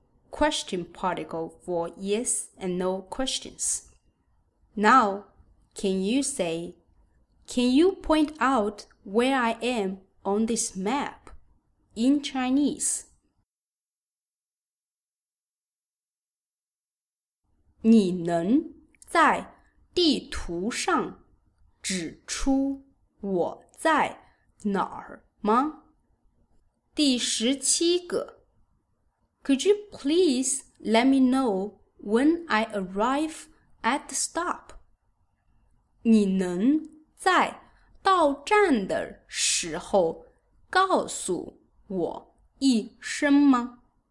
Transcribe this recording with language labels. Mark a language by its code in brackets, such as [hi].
[en] Question particle for yes and no questions. Now, can you say, can you point out where I am on this map in Chinese? [zh] 你能在地图上指出我在哪儿吗? 第十七个 [en] Could you please let me know when I arrive at the stop? [zh] 你能在到站的时候告诉我一声吗?